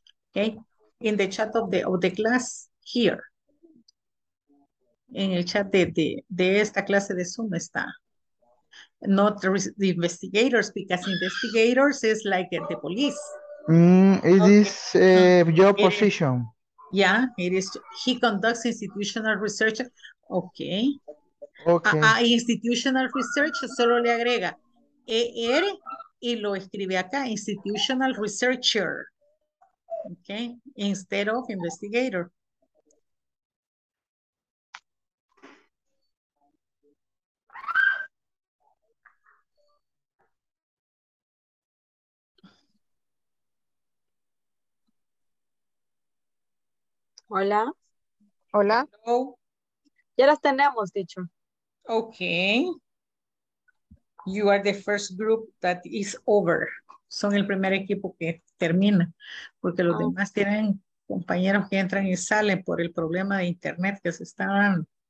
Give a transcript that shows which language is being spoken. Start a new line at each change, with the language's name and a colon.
English: Okay, in the chat of the class here.
Spanish: En el chat de esta clase de Zoom está.
English: Not the investigators, because investigators is like the police. It is your position. Yeah, it is. He conducts institutional research. Okay. Okay.
Spanish: Institutional research, solo le agrega ER y lo escribe acá, institutional researcher.
English: Okay, instead of investigator.
Spanish: Hola. Hola.
English: Hello.
Spanish: Ya las tenemos, dicho.
English: Okay. You are the first group that is over.
Spanish: Son el primer equipo que termina, porque los demás tienen compañeros que entran y salen por el problema de internet que se está dando.